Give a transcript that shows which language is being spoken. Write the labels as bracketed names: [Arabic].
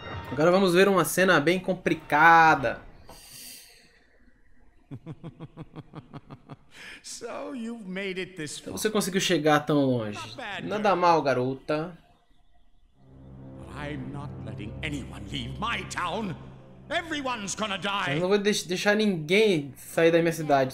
[Portuguese] Agora vamos ver uma cena bem complicada. [English] So you've made it this [Portuguese] Então você conseguiu chegar tão longe. Nada mal, garota. [English] But I'm not letting anyone leave my town. Everyone's gonna die. [Portuguese] Eu não vou deixar ninguém sair da minha cidade.